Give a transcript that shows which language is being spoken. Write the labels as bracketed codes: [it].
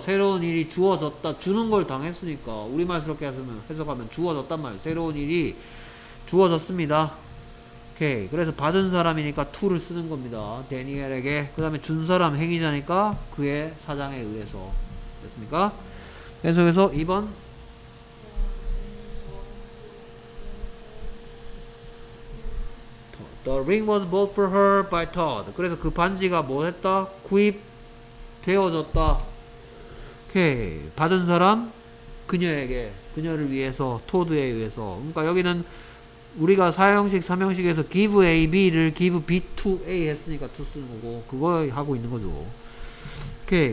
[ko] 새로운 일이 주어졌다. 주는 걸 당했으니까 우리말스럽게 해석하면 주어졌단 말이에요. 새로운 일이 주어졌습니다. 오케이. 그래서 받은 사람이니까 to를 쓰는 겁니다. 데니엘에게. 그 다음에 준 사람 행위자니까 그의 사장에 의해서. 됐습니까? 계속해서 2번 [en] The ring was bought for her by Todd. [ko] 그래서 그 반지가 뭐 했다? 구입되어졌다. 오케이. 받은 사람 그녀에게. 그녀를 위해서 토드에 의해서. 그러니까 여기는 우리가 사형식, 삼형식에서 give a, b를 [en] give b to a [ko] 했으니까 to 쓰는 거고 그거 하고 있는 거죠. 오케이.